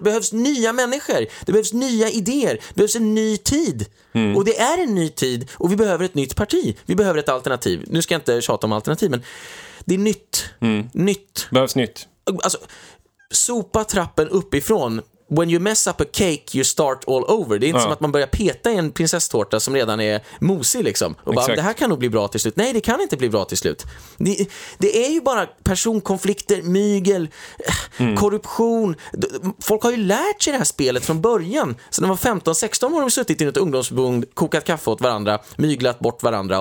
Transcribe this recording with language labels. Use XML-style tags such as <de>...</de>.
<sv>Det behövs nya människor. Det behövs nya idéer. Det behövs en ny tid. Mm. Och det är en ny tid, och vi behöver ett nytt parti. Vi behöver ett alternativ. Nu ska jag inte tjata om alternativ, men det är nytt. Mm. Nytt. Behövs nytt. Alltså, sopa trappen uppifrån.</sv> <en>When you mess up a cake, you start all over.</en> <sv>Det är inte som att man börjar peta i en prinsesstårta som redan är mosig liksom. Och bara, det här kan nog bli bra till slut. Nej, det kan inte bli bra till slut. Det är ju bara personkonflikter, mygel, korruption. Folk har ju lärt sig det här spelet från början. Så när de var 15-16 år har de suttit i ett ungdomsförbund, kokat kaffe åt varandra, myglat bort varandra.</sv>